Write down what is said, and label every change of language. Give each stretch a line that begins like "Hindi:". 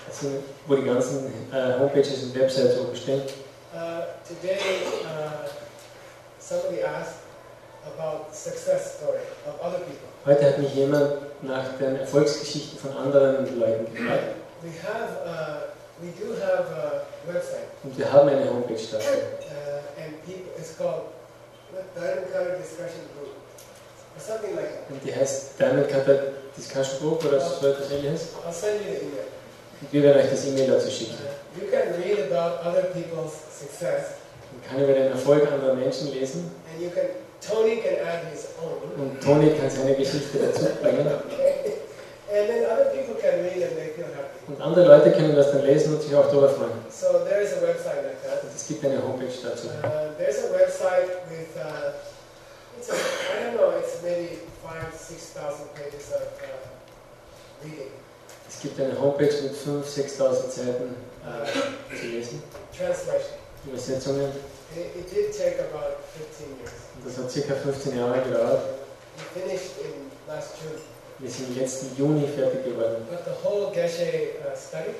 German: Also, wo die ganzen Homepages und Websites oben stehen.
English: Today, somebody asked about success story of other people.
German: Heute hat mich jemand nach den Erfolgsgeschichten von anderen Leuten gefragt.
English: We have we do have a website.
German: Und wir haben eine Homepage dafür.
English: And people, it's called Diamond Cutter Discussion Group or something like that.
German: Und die heißt Diamond Cutter Discussion Group oder so etwas ähnliches.
English: I'll send you the email.
German: Und wir werden euch das E-Mail dazu schicken.
English: You can read about other people's success.
German: Man kann über den Erfolg anderer Menschen lesen.
English: And you can, Tony can add his own.
German: Und Tony kann seine Geschichte dazu bringen.
English: Okay. And then other people can read and they feel happy.
German: Und andere Leute können das dann lesen und sich auch darüber freuen.
English: So there is a website like that.
German: Und es gibt eine Homepage dazu.
English: There's a website with it's a, I don't know, it's maybe 5,000-6,000 pages of reading.
German: Es gibt eine Homepage mit 5,000-6,000 Seiten zu lesen.
English: Translation.
German: Übersetzungen.
English: It did take about 15 years.
German: Das hat ca. 15 Jahre gedauert.
English: We finished in last June.
German: Wir sind letzten Juni fertig geworden.
English: But the whole Geshe study,